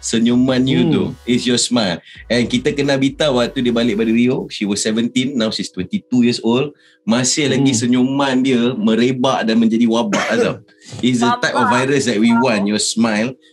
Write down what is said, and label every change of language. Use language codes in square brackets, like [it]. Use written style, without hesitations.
[ms] Senyuman [en] you tu is your smile. [ms] And kita kenal Bita waktu dia balik dari Rio. [en] She was 17, now she's 22 years old. [ms] Masih lagi senyuman dia merebak dan menjadi wabak tau. [en] It's the type of virus that we want, your smile.